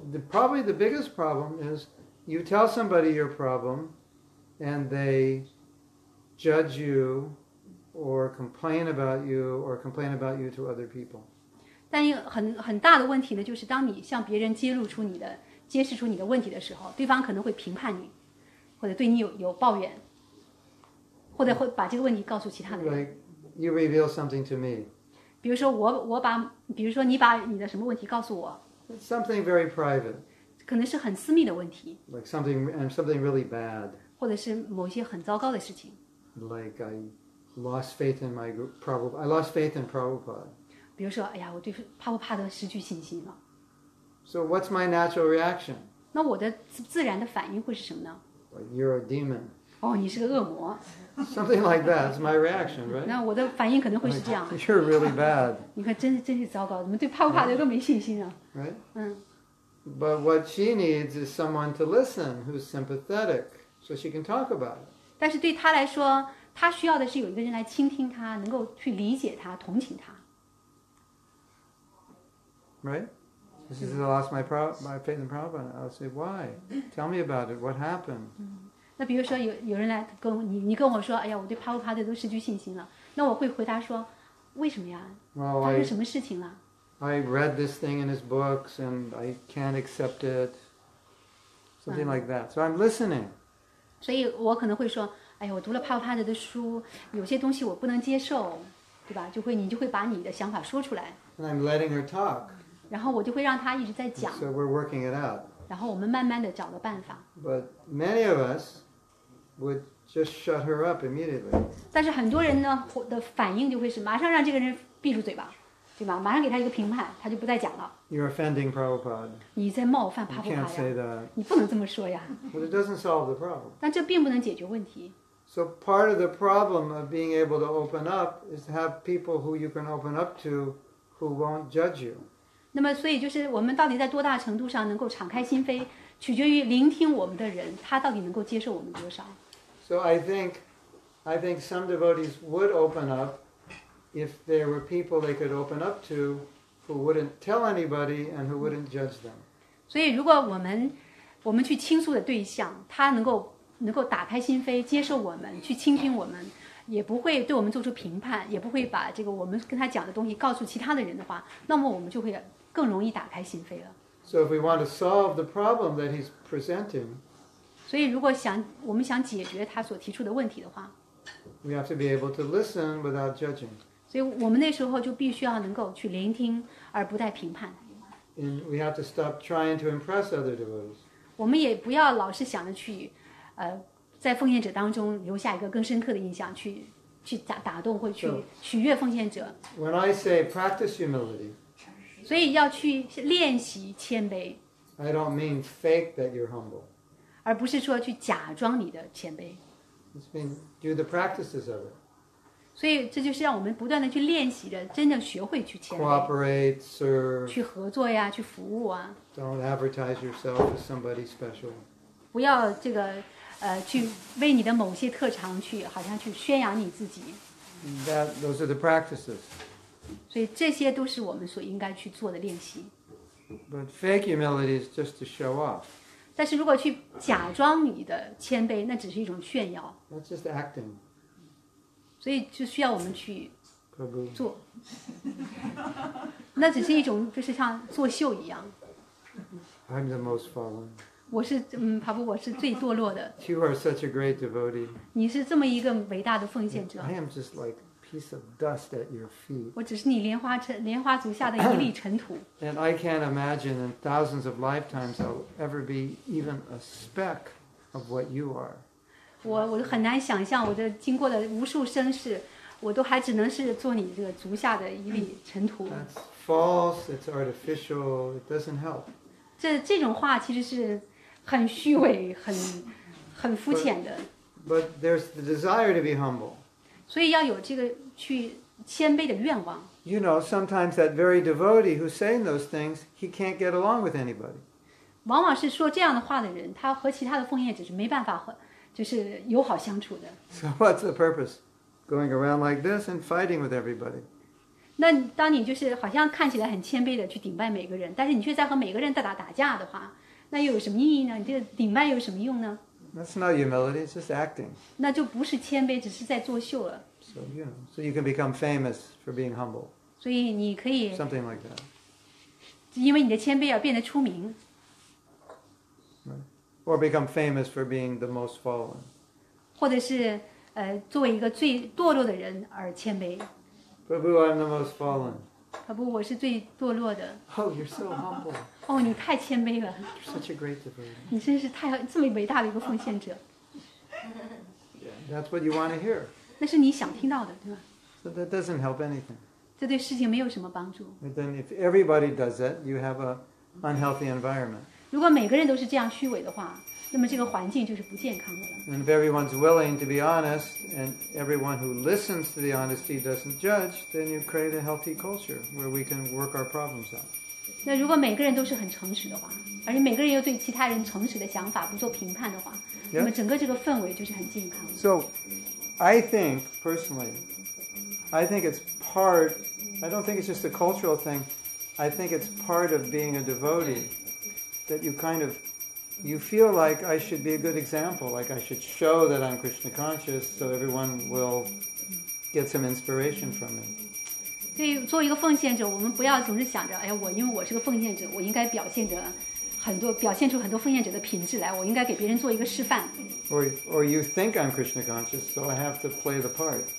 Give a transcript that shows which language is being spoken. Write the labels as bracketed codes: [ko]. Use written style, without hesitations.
[en] Probably the biggest problem is you tell somebody your problem and they judge you or complain about you or complain about you to other people. [zh] 但很大的问题呢，就是当你向别人揭示出你的问题的时候，对方可能会评判你，或者对你有抱怨。或者会把这个问题告诉其他的人。 [en] Like you reveal something to me. [zh] 比如说我把，比如说你把你的什么问题告诉我。 [en] Something very private. [zh] 可能是很私密的问题。 [en] Like something really bad. [zh] 或者是某些很糟糕的事情。 [en] Like I lost faith in my Prabhupada. I lost faith in Prabhupada. [zh] 比如说，哎呀，我对帕布帕德失去信心了。 [en] So what's my natural reaction? [zh] 那我的自然的反应会是什么呢？ [en] You're a demon. [zh] 哦，你是个恶魔。 [en] Something like that is my reaction, right? [zh] 那我的反应可能会是这样。 [en] You're really bad. [zh] 你看，真是糟糕，怎么对帕布帕德都没信心啊？ [en] Right. 嗯。 But what she needs is someone to listen who's sympathetic, so she can talk about it. [zh] 但是对她来说，她需要的是有一个人来倾听她，能够去理解她，同情她。 [en] Right. She says, I lost my faith in Prabhupada. I'll say, why? Tell me about it. What happened? [zh] 那比如说有人来跟你跟我说，哎呀，我对帕布帕德都失去信心了。那我会回答说，为什么呀？发生什么事情了？ [en] I read this thing in his books and I can't accept it. Something like that. So I'm listening. [zh] 所以我可能会说，哎呀，我读了帕布帕德的书，有些东西我不能接受，对吧？你就会把你的想法说出来。 [en] And I'm letting her talk. [zh] 然后我就会让他一直在讲。 [en] So we're working it out. [zh] 然后我们慢慢地找了办法。 [en] But many of us would just shut her up immediately. [zh] 但是很多人呢的反应就会是马上让这个人闭住嘴巴，对吧？马上给他一个评判，他就不再讲了。 [en] You're offending Prabhupada. [zh] 你在冒犯帕布帕呀。 [en] You can't say that. [zh] 你不能这么说呀。 [en] But it doesn't solve the problem. [zh] 但这并不能解决问题。 [en] So part of the problem of being able to open up is to have people who you can open up to who won't judge you. [zh] 那么所以就是我们到底在多大程度上能够敞开心扉取决于聆听我们的人他到底能够接受我们多少。 [en] So I think some devotees would open up if there were people they could open up to who wouldn't tell anybody and who wouldn't judge them. [zh] 所以如果我们去倾诉的对象他能够打开心扉接受我们去倾听我们也不会对我们做出评判也不会把这个我们跟他讲的东西告诉其他的人的话那么我们就会更容易打开心扉了。 [en] So if we want to solve the problem that he's presenting, [zh] 所以如果我们想解决他所提出的问题的话 [en] we have to be able to listen without judging. [zh] 所以我们那时候就必须要能够去聆听而不带评判。 [en] And we have to stop trying to impress other devotees. [zh] 我们也不要老是想着去在奉献者当中留下一个更深刻的印象去打动或去取悦奉献者。 [en] When I say practice humility, [zh] 所以要去练习谦卑。 [en] I don't mean fake that you're humble. [zh] 而不是说去假装你的谦卑。 [en] It's mean do the practices of it. [zh] 所以这就是让我们不断的去练习的真的学会去谦卑。 [en] Cooperate, serve. [zh] 去合作呀去服务啊。 [en] Don't advertise yourself as somebody special. [zh] 不要这个去为你的某些特长去好像去宣扬你自己。 [en] Those are the practices. [zh] 所以这些都是我们所应该去做的练习。 [en] But fake humility is just to show off. [zh] 但是如果去假装你的谦卑那只是一种炫耀。 [en] That's just acting. [zh] 所以就需要我们去做。 [en] Prabhu. [zh] 那只是一种就是像作秀一样。 [en] I'm the most fallen. [zh] 我是帕布，我是最堕落的。 [en] You are such a great devotee. [zh] 你是这么一个伟大的奉献者。 [en] I am just like a piece of dust at your feet. [zh] 我只是你莲花足下的一粒尘土。 [en] And I can't imagine in thousands of lifetimes I'll ever be even a speck of what you are. [zh] 我很难想象，我的经过了无数生世，我都还只能是做你这个足下的一粒尘土。 [en] That's false. It's artificial. It doesn't help. [zh] 这种话其实是很虚伪很肤浅的。 [en] But there's the desire to be humble. [zh] 所以要有这个去谦卑的愿望。 [en] You know, sometimes that very devotee who's saying those things, he can't get along with anybody. [zh] 往往是说这样的话的人他和其他的奉献者是没办法就是友好相处的。 [en] So what's the purpose? Going around like this and fighting with everybody. [zh] 那当你就是好像看起来很谦卑的去顶拜每个人但是你却在和每个人打架的话那又有什么意义呢你这个顶拜有什么用呢 [en] That's not humility, it's just acting. [zh] 那就不是谦卑只是在作秀了。 [en] So you, know, so you can become famous for being humble. [zh] 所以你可以 [en] Something like that. [zh] 因为你的谦卑而变得出名。 [en] Or become famous for being the most fallen. [zh] 或者是作为一个最堕落的人而谦卑。 [en] Prabhu, I'm the most fallen. [zh] Prabhu, 我是最堕落的。 [en] Oh, you're so humble. [zh] 哦，你太谦卑了。 [en] You're such a great devotee. [zh] 你真是太这么伟大的一个奉献者。 [en] Yeah, that's what you want to hear. [zh] 那是你想听到的，对吧？ [en] So that doesn't help anything. [zh] 这对事情没有什么帮助。 [en] But then if everybody does that, you have an unhealthy environment. [zh] 如果每个人都是这样虚伪的话，那么这个环境就是不健康的了。 [en] And if everyone's willing to be honest, and everyone who listens to the honesty doesn't judge, then you create a healthy culture where we can work our problems out. [zh] 那如果每个人都是很诚实的话，而且每个人又对其他人诚实的想法不做评判的话， [en] yes? [zh] 那么整个这个氛围就是很健康的。 [en] So, I think personally, I think it's part. I don't think it's just a cultural thing. I think it's part of being a devotee that you kind of. You feel like I should be a good example, like I should show that I'm Krishna conscious so everyone will get some inspiration from me. [zh] 所以作为一个奉献者，我们不要总是想着，哎呀，我因为我是个奉献者，我应该表现得很多，表现出很多奉献者的品质来，我应该给别人做一个示范。 [en] Or you think I'm Krishna conscious, so I have to play the part.